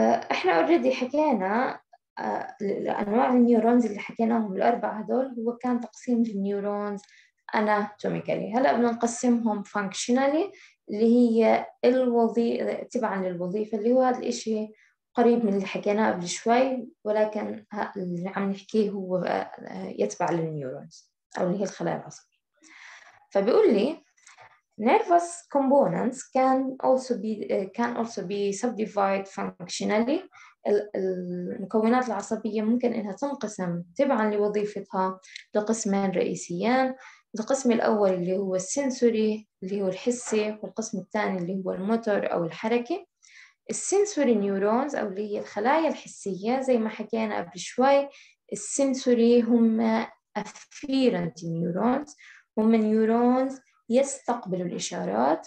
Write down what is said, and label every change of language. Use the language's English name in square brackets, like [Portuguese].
[Arabic] احنا اوريدي حكينا انواع النيورونز اللي حكيناهم الاربعه هذول، هو كان تقسيم النيورونز اناتوميكالي. هلا بنقسمهم فانكشنالي اللي هي الوظيفه تبعا للوظيفه، اللي هو هذا الشيء قريب من اللي حكيناه قبل شوي، ولكن اللي عم نحكيه هو يتبع للنيورونز او اللي هي الخلايا العصبيه. فبيقول لي [English] nervous components can also be subdivided functionally. [Arabic] المكونات العصبية ممكن إنها تنقسم تبعا لوظيفتها لقسمين رئيسيين. القسم الأول اللي هو السنسوري اللي هو الحسي، والقسم الثاني اللي هو الموتور أو الحركي. السنسوري نيورونز أو اللي هي الخلايا الحسية، زي ما حكينا قبل شوي السنسوري هم afferent neurons، هم نيورونز يستقبلوا الإشارات.